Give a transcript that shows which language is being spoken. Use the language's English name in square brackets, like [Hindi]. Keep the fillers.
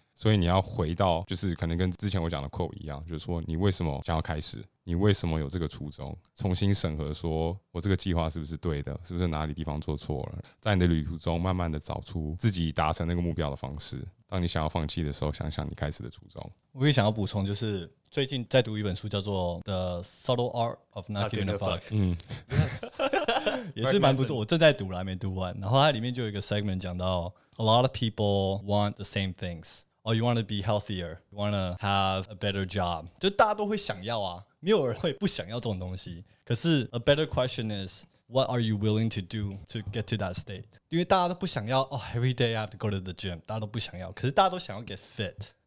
[Chinese] 所以你要回到，就是可能跟之前我讲的扣一样，就是说你为什么想要开始？你为什么有这个初衷？重新审核，说我这个计划是不是对的？是不是哪里地方做错了？在你的旅途中，慢慢的找出自己达成那个目标的方式。当你想要放弃的时候，想想你开始的初衷。我也想要补充，就是最近在读一本书，叫做《The s u b t l e Art of Nothing》。嗯，也是蛮不错。我正在读了，还没读完。然后它里面就有一个 segment 讲到， [English] a lot of people want the same things。 Or oh, you want to be healthier? You want to have a better job， [Chinese] 就大家都会想要啊，没有人会不想要这种东西。可是 [English] a better question is, what are you willing to do to get to that state? [Chinese] 因为大家都不想要, [English] oh, every day I have to go to the gym. [Chinese] 大家都不想要,可是大家都想要 [English] get fit.